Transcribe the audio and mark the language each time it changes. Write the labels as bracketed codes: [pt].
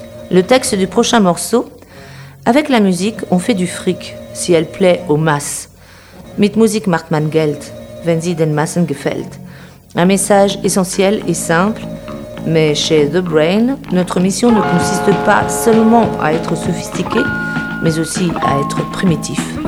[fr] Le texte du prochain morceau. Avec la musique, on fait du fric, si elle plaît aux masses. [de] Mit Musik macht man Geld, wenn sie den Massen gefällt. [fr] Un message essentiel et simple, mais chez The Brain, notre mission ne consiste pas seulement à être sophistiqué, mais aussi à être primitif.